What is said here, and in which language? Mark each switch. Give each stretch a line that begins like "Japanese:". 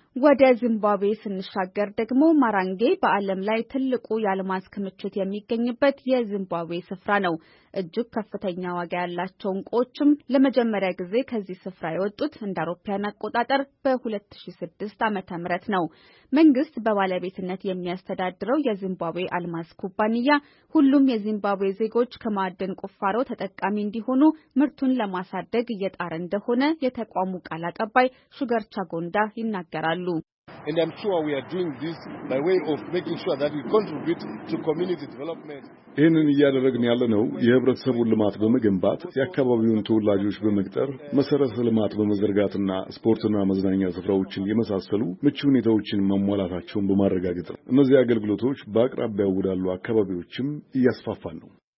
Amharic: ወደ ዚምባብዌ ስንሻገር ደግሞ ማራንጌ በአለም ላይ ትልቁ የአልማዝ ክምችት የሚገኝበት የዚምባብዌ ስፍራ ነው። እጅግ ከፍተኛ ዋጋ ያላቸው እንቁዎችም ለመጀመሪያ ጊዜ ከዚህ ስፍራ የወጡት እንደ አውሮፓውያን አቆጣጠር በ2006 ዓ.ም ምረት ነው። መንግስት በባለቤትነት የሚያስተዳድረው የዚምባብዌ አልማዝ ኩባንያ ሁሉም የዚምባብዌ ዜጎች ከማዕድን ቁፋሮ ተጠቃሚ እንዲሆኑ ምርቱን ለማሳደግ እየጣረ እንደሆነ የተቋሙ ቃል አቀባይ ሹገር ቻጎንዳ ይናገራሉ።
English: And I'm sure we are doing this by way of making sure that we contribute to community development.
Amharic: እንን ያደረግን ያለነው የህብረተሰቡን ልማት በመገንባት የአካባቢውን ተወላጆች በመቅጠር መሰረተ ልማት በመዘርጋትና ስፖርትና መዝናኛ ስፍራዎችን የመሳሰሉ ምቹ ሁኔታዎችን ማሟላታቸውን በማረጋገጥ ነው። እነዚህ አገልግሎቶች በአቅራቢያ ያሉ አካባቢዎችም እየስፋፋ ነው።